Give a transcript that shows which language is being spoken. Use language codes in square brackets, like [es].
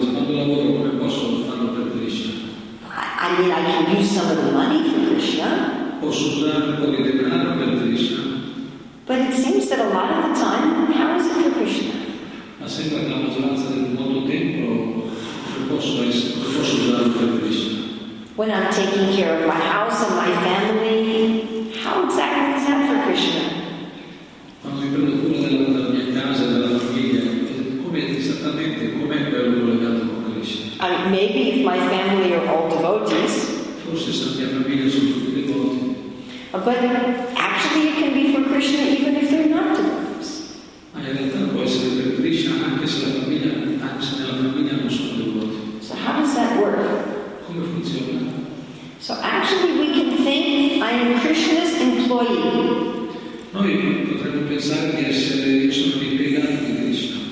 [it] Cioè, quando lavoro, come posso farlo per Krishna? [en] I can use some of the money for Krishna. [it] Posso usare un po' di denaro per Krishna. [en] But it seems that a lot of the time, how is it for Krishna? [it] Ma sembra che la maggioranza del molto tempo posso usare per Krishna. [en] When I'm taking care of my house and my family, how exactly is that for Krishna? [it] Quando mi prendo cura della mia casa, della famiglia, come esattamente come è quello collegato con Krishna? [en] Maybe if my family are all devotees. [it] Forse se la mia famiglia sono tutti devoti. [en] But actually it can be for Krishna even if they're not devotees. [it] Ma in realtà può essere per Krishna anche se nella famiglia non sono devoti. [en] So how does that work? [it] Come funziona? [en] So actually we can think I am Krishna's employee. [it] Noi potremmo pensare di essere sono impiegati di Krishna.